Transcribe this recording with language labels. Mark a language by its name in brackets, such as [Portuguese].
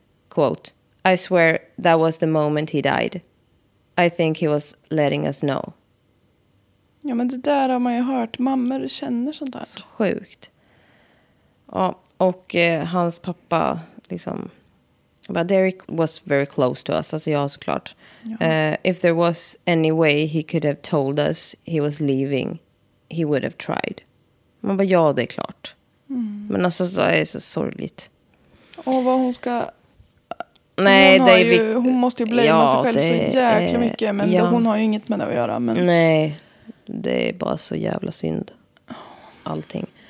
[English] Quote, I swear that was the moment he died. I think he was letting us know. [Swedish] Ja, men det där har man ju hört. Mammor känner sånt där. Så sjukt. Ja, och hans pappa liksom... [English] But Derek was very close to us, [Swedish] alltså jag såklart. Ja. [English] If there was any way he could have told us he was leaving, he would have tried. [Swedish] Man bara, ja, det är klart. Mm. Men alltså, det är så sorgligt. Och vad hon ska... Nej, hon, det ju, vi... hon måste ju blama sig själv det, så jäkla mycket. Men ja. Det, hon har ju inget med det att göra. Men... Nej, det är bara så jävla synd. Allting.